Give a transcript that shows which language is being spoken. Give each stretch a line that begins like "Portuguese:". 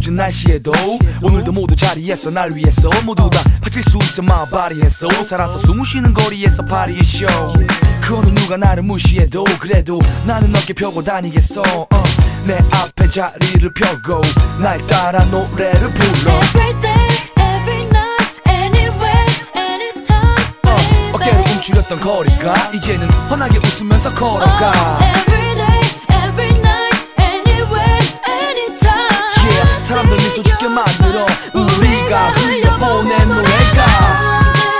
Korean: 다시에도 오늘도 모두 자리에서 날 위해서 모두 다 바칠 수 있어 my body에서 살아서 숨 쉬는 거리에서 파리의 쇼 그 어느 누가 나를 무시해도 그래도 나는 어깨 펴고 다니겠어 내 앞에 자리를 펴고 날 따라 노래를 불러
English: Every day, every night, anywhere, anytime
Korean: 어깨를 움츠렸던 거리가 이제는 환하게 웃으면서 걸어가
English: Every day, every night, anywhere, anytime
Korean: yeah, 사람들 미소 짓게 만들어 우리가 흘려보낸 노래가